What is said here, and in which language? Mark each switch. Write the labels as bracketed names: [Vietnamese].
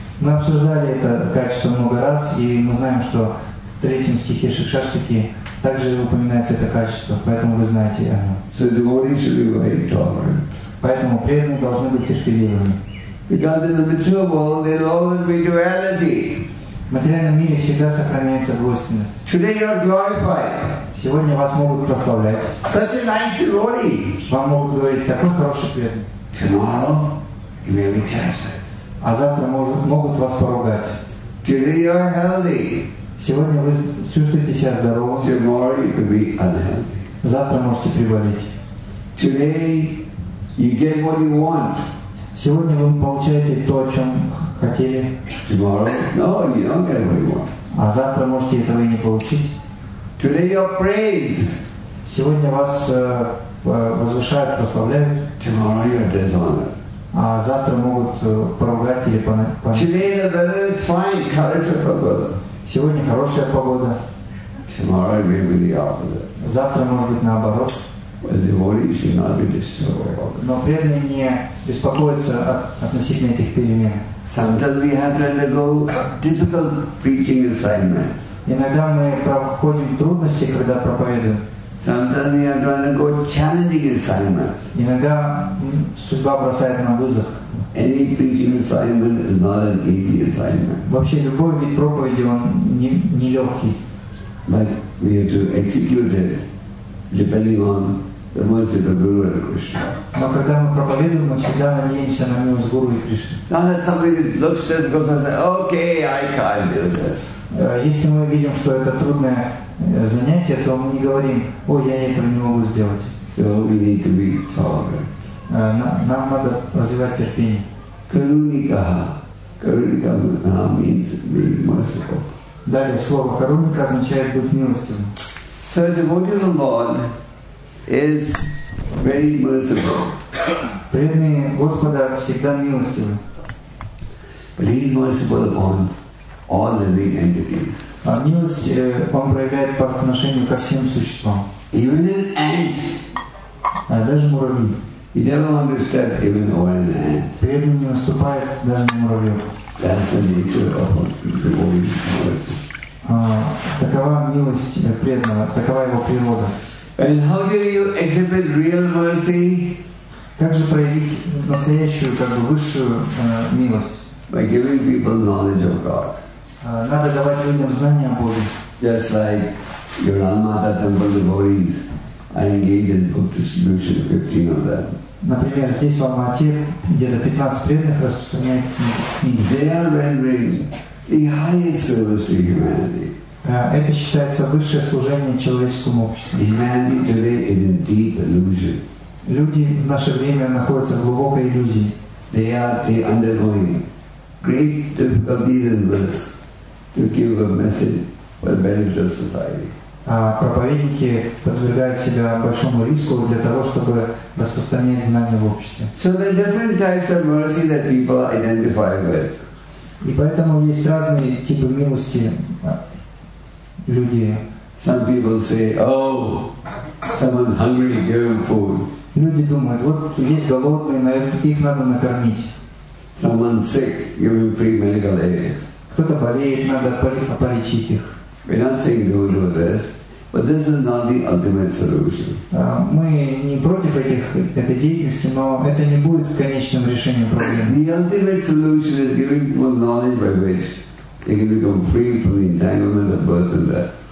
[Russian] Мы обсуждали это качество много раз, и мы знаем, что в третьем стихе Шикшаштаки также упоминается это качество, поэтому вы знаете оно. [English] So devotees should be very tolerant. [Russian] Поэтому преданные должны быть терпеливыми. [English] Because in the material world there will always be duality. [Russian] В материальном мире всегда сохраняется двойственность. [English] Today you are glorified. [Russian] Сегодня вас могут прославлять. [English] Such a nice devotee. [Russian] Вам могут говорить, такой хороший преданный. [English] Tomorrow you may be tested. [Russian] А завтра могут вас поругать. [English] Today you are healthy. [Russian] Сегодня вы чувствуете себя здоровым. [English] Tomorrow you could be unhealthy. [Russian] Завтра можете приболеть. [English] Today you get what you want. [Russian] Сегодня вы получаете то, о чем хотели. [English] Tomorrow, no, you don't get what you want. [Russian] А завтра можете этого и не получить. [English] Today you're praised. [Russian] Сегодня вас возвышают, прославляют. [English] Tomorrow you're dishonored. [Russian] А завтра могут поругать или понять. [English] Today the weather is fine, [Russian] хорошая погода. Сегодня хорошая погода. [English] Tomorrow may be the opposite. [Russian] Завтра может быть наоборот. [English] But devotees should not be disturbed. [Russian] Но преданные не беспокоятся относительно этих перемен. [English] Sometimes we have to undergo difficult preaching assignments. [Russian] Иногда мы проходим трудности, когда проповедуем. [English] Sometimes we have to undergo challenging assignments. [Russian] Иногда судьба бросает нам вызов. [English] Any preaching assignment is not an easy assignment. [Russian] Вообще любой вид проповеди он не легкий. [English] But we have to execute it depending on the mercy of Guru and Krishna. [Russian] Но когда мы проповедуем, мы всегда надеемся на милость Гуру и Кришны. [English] Not that somebody looks at it and says, "Okay, I can't do this." [Russian] Если мы видим, что это трудное занятие, то мы не говорим, "Ой, я этого не могу сделать." [English] So we need to be tolerant. [Russian] Нам надо развивать терпение. [English] Karunika. Karunika means being merciful. [Russian] Далее слово Karunika означает быть милостивым. [English] So the devotee of the Lord is very merciful. [Russian] Преданные Господа всегда милостивы. [English] But he is merciful upon all living entities. [Russian] А милость он проявляет по отношению ко всем существам. [English] Even an ant. [Russian] Даже муравьи. [English] He never understood even one ant. [Russian] Преданный не уступает даже муравью. [English] That's the nature of the devotee's mercy. [Russian] Такова милость преданного, такова его природа. [English] And how do you exhibit real mercy? [Russian] Как же проявить настоящую, как бы высшую милость? [English] By giving people knowledge of God. [Russian] Надо давать людям знания о Боге. [English] Just like your Almada temple devotees are engaged in book distribution, 15 of them. [Russian] Например, здесь в Алма-Ате где-то 15 преданных распространяют книги. [English] They are rendering the highest service to humanity. [Russian] Это считается высшее служение человеческому обществу. [English] Humanity today is in deep illusion. [Russian] Люди в наше время находятся в глубокой иллюзии. [English] They are undergoing great difficulties and risks to give a message for the benefit of society. [Russian] Проповедники подвергают себя большому риску для того, чтобы распространять знания в обществе. [English] So there are different types of mercy that people identify with. [Russian] И поэтому есть разные типы милости люди. [English] Some people say, oh, someone hungry, give him food. [Russian] Люди думают, вот есть голодные, их надо накормить. [English] Someone sick, give him free medical aid. [Russian] Кто-то болеет, надо полечить их. [English] We're not saying no to this, but this is not the ultimate solution. [Russian] Мы не против этой деятельности, но это не будет конечным решением проблемы. [English] The ultimate solution is giving people knowledge by which they can become free from the entanglement of birth and death.